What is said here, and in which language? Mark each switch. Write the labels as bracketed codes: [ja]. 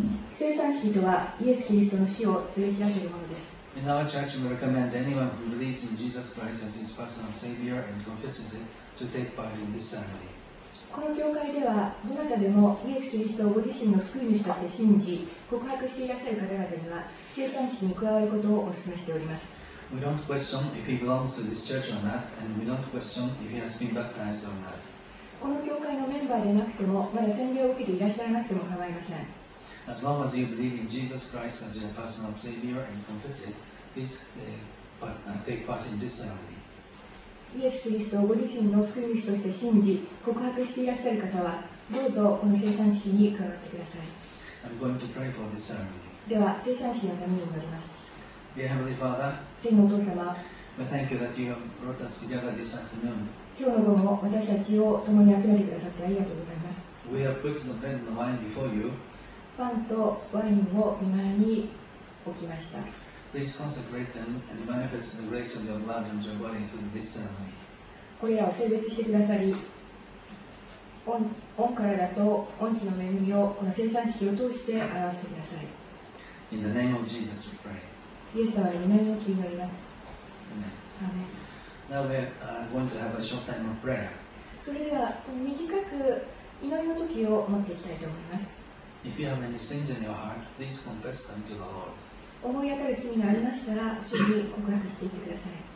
[ja] 聖餐式とはイエス・キリストの死を告げ知らせるものです。 [en] In our church, we recommend anyone who believes in Jesus Christ as his personal Savior and confesses it to take part in this ceremony. [ja] この教会ではどなたでもイエス・キリストをご自身の救い主として信じ告白していらっしゃる方々には聖餐式に加わることをお勧めしております。 [en] We don't question if he belongs to this church or not, and we don't question if he has been baptized or not. [ja] この教会のメンバーでなくても、まだ洗礼を受けていらっしゃらなくても構いません。 [en] As long as you believe in Jesus Christ as your personal Savior and confess it, please take part in this ceremony. [ja] イエス・キリストをご自身の救い主として信じ、告白していらっしゃる方は、どうぞこの聖餐式に伺ってください。 [en] I'm going to pray for this ceremony. [ja] では、聖餐式のために祈ります。 [en] Dear Heavenly Father, [ja] 天のお父様、 [en] We thank you that you have brought us together this afternoon. [ja] 今日の午後、私たちを共に集めてくださってありがとうございます。 [en] We have put the bread and the wine before you. [ja] パンとワインを御前に置きました。 [en] Please consecrate them and manifest the grace of your blood and your body through this ceremony. [ja] これらを聖別してくださり、御体と御血の恵みをこの聖餐式を通して表してください。 [en] In the name of Jesus, we pray. [ja] イエス様の御名によって祈ります。 [en] Now we are going to have a short time of prayer. [ja] それでは短く祈りの時を持っていきたいと思います。 [en] If you have any sins in your heart, please confess them to the Lord. [ja] 思い当たる罪がありましたら、主に告白していってください。